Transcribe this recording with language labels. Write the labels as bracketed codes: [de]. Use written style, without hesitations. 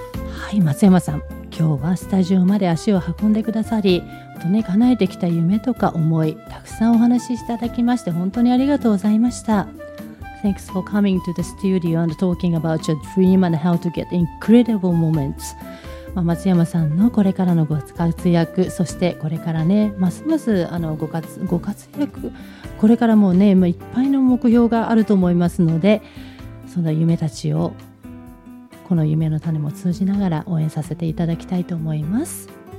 [ja] はい、松山さん今日はスタジオまで足を運んでくださり、叶えてきた夢とか思いたくさんお話しいただきまして本当にありがとうございました。 [en] Thanks for coming to the studio and talking about your dream and how to get incredible moments。 [ja] まあ、松山さんのこれからのご活躍、そしてこれからねますますあの ご活躍、これからもねもういっぱいの目標があると思いますので、その夢たちをこの夢の種も通じながら応援させていただきたいと思います。